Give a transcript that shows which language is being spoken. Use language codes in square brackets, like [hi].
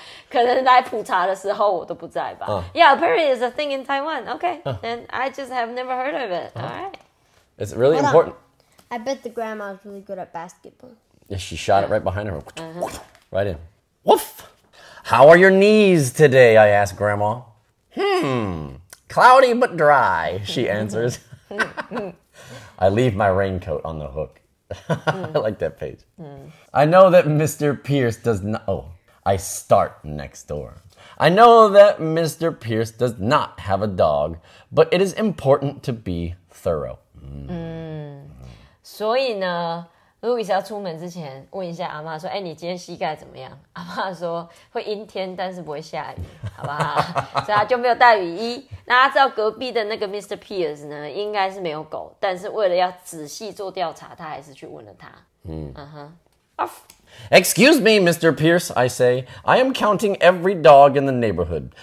[zh] 可能来普查的时候我都不在吧。 [en] Yeah, apparently it's a thing in Taiwan. Okay, then I just have never heard of it. Alright. It's really important. I bet the grandma's really good at basketball. Yeah, she shot it right behind her. Right in. Woof! How are your knees today, I asked grandma. Cloudy but dry, she answers. I leave my raincoat on the hook. I like that page. I know that Mr. Pierce does not... Oh, I start next door. I know that Mr. Pierce does not have a dog, but it is important to be thorough. [zh] 所以呢，路易斯要出门之前问一下阿妈说，哎，你今天膝盖怎么样？阿妈说会阴天，但是不会下雨，好不好？所以他就没有带雨衣。那他知道隔壁的那个 Mr. Pierce 呢，应该是没有狗，但是为了要仔细做调查，他还是去问了他。嗯， [en] Excuse me, Mr. Pierce, I say. I am counting every dog in the neighborhood.